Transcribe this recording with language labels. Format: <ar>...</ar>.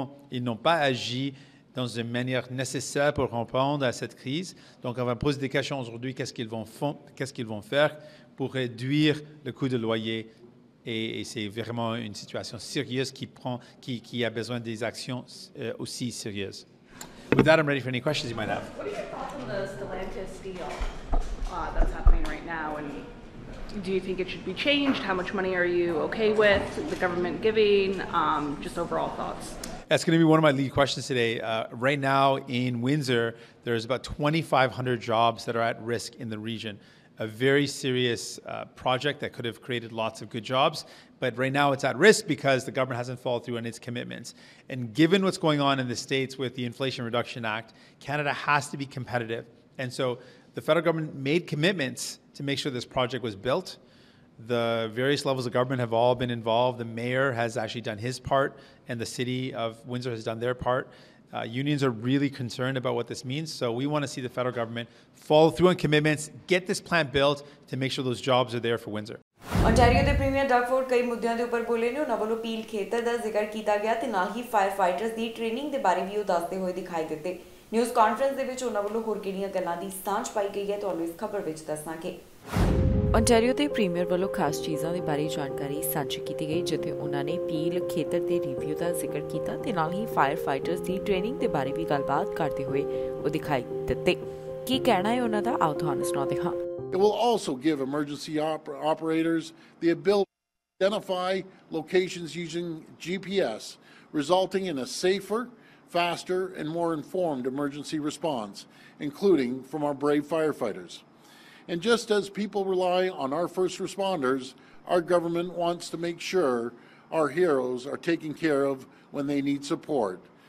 <fr>Ils n'ont pas agi dans une manière nécessaire pour répondre à cette crise. Donc, on va poser des questions aujourd'hui, qu'est-ce qu'ils vont faire pour réduire le coût de loyer. Et c'est vraiment une situation sérieuse qui a besoin des actions aussi sérieuses.</fr> <en>With that, I'm ready for any questions you might have. What are your thoughts on the Stellantis deal that's happening right now? And do you think it should be changed? How much money are you okay with the government giving? Just overall thoughts. That's going to be one of my lead questions today. Right now in Windsor, there's about 2,500 jobs that are at risk in the region. A very serious project that could have created lots of good jobs. But right now it's at risk because the government hasn't followed through on its commitments. And given what's going on in the States with the Inflation Reduction Act, Canada has to be competitive. And so the federal government made commitments to make sure this project was built. The various levels of government have all been involved. The mayor has actually done his part, and the city of Windsor has done their part. Unions are really concerned about what this means. So we want to see the federal government follow through on commitments, get this plant built to make sure those jobs are there for Windsor.</en> <pa>Ontario ਦੇ premier ਡਾਕਫੋਰਡ ਕਈ ਮੁੱਦਿਆਂ ਦੇ ਉੱਪਰ ਬੋਲੇ ਨੇ ਉਹਨਾਂ ਵੱਲੋਂ peel ਖੇਤਰ ਦਾ ਜ਼ਿਕਰ ਕੀਤਾ ਗਿਆ ਤੇ ਨਾਲ ਹੀ ਫਾਇਰ ਫਾਈਟਰਸ ਦੀ ਟ੍ਰੇਨਿੰਗ ਦੇ ਬਾਰੇ ਵੀ ਉਹ ਦੱਸਦੇ ਹੋਏ ਦਿਖਾਈ ਦਿੱਤੇ ਨਿਊਜ਼ ਕਾਨਫਰੰਸ ਦੇ ਵਿੱਚ ਉਹਨਾਂ ਵੱਲੋਂ ਹੋਰ ਕਿਹੜੀਆਂ ਗੱਲਾਂ ਦੀ ਸਾਂਝ ਪਾਈ ਗਈ ਹੈ ਤੁਹਾਨੂੰ ਇਸ ਖਬਰ ਵਿੱਚ ਦੱਸਾਂਗੇ ਓਨਟਾਰੀਓ ਦੇ ਪ੍ਰੀਮੀਅਰ ਵੱਲੋਂ ਖਾਸ ਚੀਜ਼ਾਂ ਦੇ ਬਾਰੇ ਜਾਣਕਾਰੀ ਸਾਂਝੀ ਕੀਤੀ ਗਈ ਜਿੱਥੇ ਉਹਨਾਂ ਨੇ ਪੀਲ ਖੇਤਰ ਦੇ ਰਿਵਿਊ ਦਾ ਜ਼ਿਕਰ ਕੀਤਾ ਤੇ ਨਾਲ ਹੀ ਫਾਇਰ ਫਾਈਟਰਸ ਦੀ ਟ੍ਰੇਨਿੰਗ ਦੇ ਬਾਰੇ ਵੀ ਗੱਲਬਾਤ ਕਰਦੇ ਹੋਏ ਉਹ ਦਿਖਾਈ ਦਿੱਤੇ ਕੀ ਕਹਿਣਾ ਹੈ ਉਹਨਾਂ ਦਾ ਆਓ ਤੁਹਾਨੂੰ ਸੁਣਾਉਂਦੇ ਹਾਂ</pa> <en>It will also give emergency operators the ability to identify locations using GPS, resulting in a safer, faster, and more informed emergency response, including from our brave firefighters. And just as people rely on our first responders, our government wants to make sure our heroes are taken care of when they need support.</en>